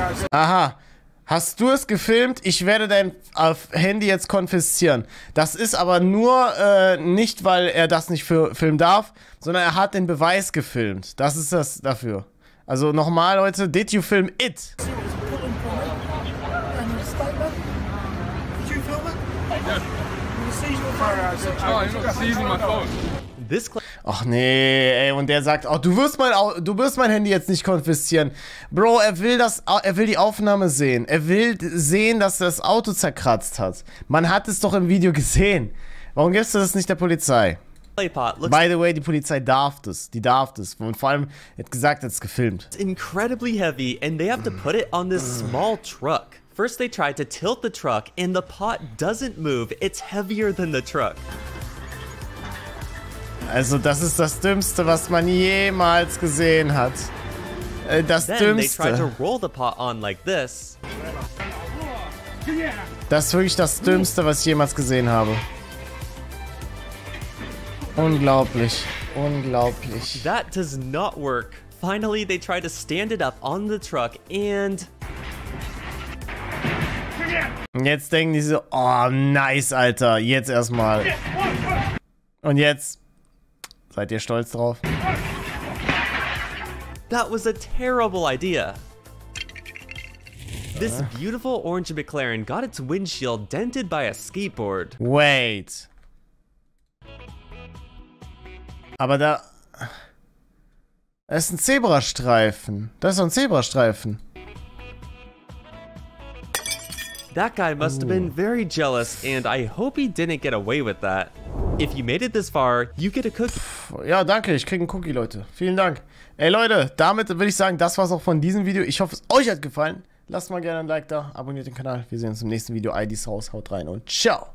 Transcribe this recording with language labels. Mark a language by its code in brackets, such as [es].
[de] Aha, hast du es gefilmt? Ich werde dein Handy jetzt konfiszieren. Das ist aber nur nicht, weil er das nicht filmen darf, sondern er hat den Beweis gefilmt. Das ist das dafür. Also nochmal, Leute, [en] did you film it? [de] Ach nee, ey, und der sagt, oh, du wirst mein Handy jetzt nicht konfiszieren. Bro, er will die Aufnahme sehen. Er will sehen, dass er das Auto zerkratzt hat. Man hat es doch im Video gesehen. Warum gibst du das nicht der Polizei? [en] By the way, [de] die Polizei darf das. Die darf das. Und vor allem, er hat gesagt, er hat es gefilmt. [en] It's incredibly heavy and they have to put it on this small truck. First they tried to tilt the truck and the pot doesn't move. It's heavier than the truck. [de] Also, das ist das Dümmste, was man jemals gesehen hat. Das [en] Then [de] Dümmste. [en] They try to roll the pot on like this. [de] Das ist wirklich das Dümmste, was ich jemals gesehen habe. Unglaublich. Unglaublich. [en] That does not work. Finally, they try to stand it up on the truck and... [de] Jetzt denken die so, oh, nice, Alter. Jetzt erstmal. Und jetzt... Seid ihr stolz drauf? [en] That was a terrible idea. This beautiful orange McLaren got its windshield dented by a skateboard. Wait. [de] Aber da... Das ist ein Zebrastreifen. Das ist ein Zebrastreifen. [en] That guy must have been very jealous and I hope he didn't get away with that. If you made it this far, you get a cookie. [de] Ja, danke. Ich krieg einen Cookie, Leute. Vielen Dank. Ey, Leute, damit würde ich sagen, das war's auch von diesem Video. Ich hoffe, es euch hat gefallen. Lasst mal gerne ein Like da. Abonniert den Kanal. Wir sehen uns im nächsten Video. IDs Haus. Haut rein und ciao.